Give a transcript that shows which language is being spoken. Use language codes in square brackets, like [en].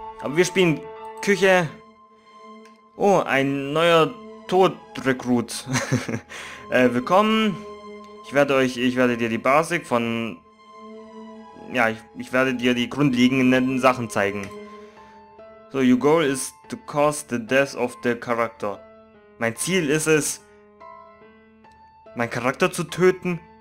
[de] Aber wir spielen Küche. Oh, ein neuer Tod-Rekrut. willkommen. Ich werde dir die Basic von... Ja, ich werde dir die grundlegenden Sachen zeigen. [en] So, your goal is to cause the death of the character. [de] Mein Ziel ist es, meinen Charakter zu töten.